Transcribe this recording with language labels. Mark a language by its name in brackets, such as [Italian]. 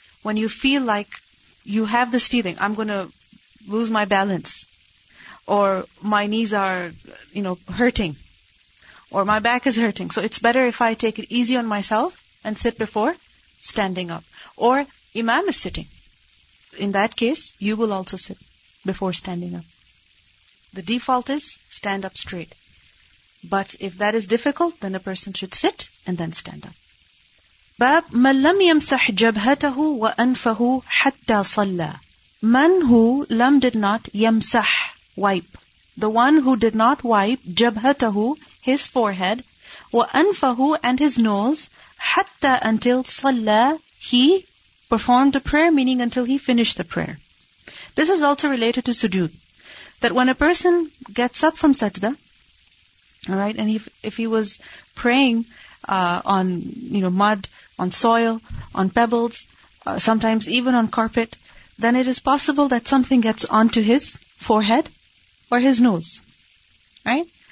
[English] when you feel like you have this feeling, I'm going to lose my balance, or my knees are, you know, hurting, or my back is hurting, so it's better if I take it easy on myself and sit before standing up. Or imam is sitting. In that case, you will also sit before standing up. The default is stand up straight. But if that is difficult, then a person should sit and then stand up. [Arabic] باب من لم يمسح جبهته وأنفه حتى صلى. من [English] who [Arabic] لم [English] did not [Arabic] يمسح [English] wipe. The one who did not wipe [Arabic] جبهته [English] his forehead [Arabic] وأنفه [English] and his nose [Arabic] حتى [English] until [Arabic] صلى [English] he performed the prayer, meaning until he finished the prayer. This is also related to sujood. That when a person gets up from sajda, all right, and if he was praying on, you know, mud, on soil, on pebbles, sometimes even on carpet, then it is possible that something gets onto his forehead or his nose. Right?